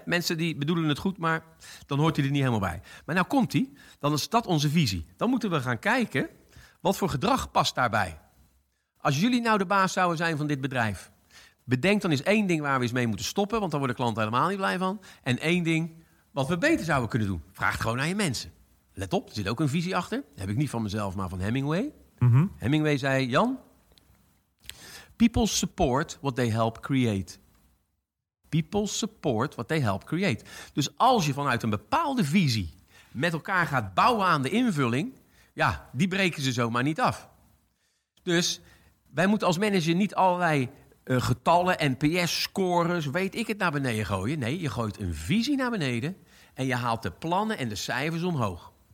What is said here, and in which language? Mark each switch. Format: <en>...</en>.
<nl>Mensen die bedoelen het goed, maar dan hoort hij er niet helemaal bij. Maar nou komt hij, dan is dat onze visie. Dan moeten we gaan kijken, wat voor gedrag past daarbij? Als jullie nou de baas zouden zijn van dit bedrijf, bedenk dan eens één ding waar we eens mee moeten stoppen, want dan worden klanten helemaal niet blij van. En één ding wat we beter zouden kunnen doen. Vraag het gewoon aan je mensen. Let op, er zit ook een visie achter. Dat heb ik niet van mezelf, maar van Hemingway. Mm-hmm.</nl> <en>Hemingway</en> <nl>zei,</nl> <en>Jan, people support what they help create. People support what they help create.</en> <nl>Dus als je vanuit een bepaalde visie met elkaar gaat bouwen aan de invulling, ja, die breken ze zomaar niet af. Dus wij moeten als manager niet allerlei getallen, NPS-scores, weet ik het, naar beneden gooien. Nee, je gooit een visie naar beneden en je haalt de plannen en de cijfers omhoog.</nl>